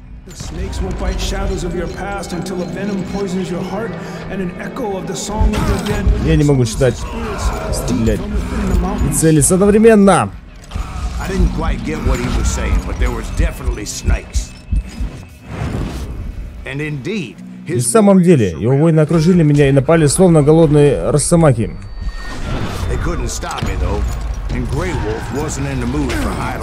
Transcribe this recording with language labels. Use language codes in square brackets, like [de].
[en] Snakes will bite shadows of your past until a venom poisons your heart and an echo of the song of the dead. [ru] Я не могу читать, стрелять и целиться одновременно. [en] I didn't quite get what he was saying, but there was definitely snakes. And indeed, his... [ru] На самом деле, его воины окружили меня и напали словно голодные росомахи. [en] They couldn't stop me though, and Grey Wolf wasn't in the mood for idle.